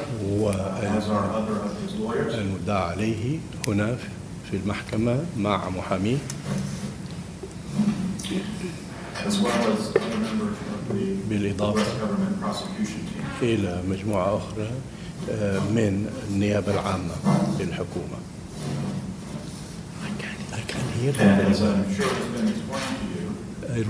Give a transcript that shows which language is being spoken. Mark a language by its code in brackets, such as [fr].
[ar] والمدعى عليه هنا في المحكمة مع محامي. [en] As well as a member of the U.S. government prosecution team. [ar] إلى مجموعة أخرى من النيابة العامة للحكومة. [en] I can hear them. And as I'm sure has been explained to you,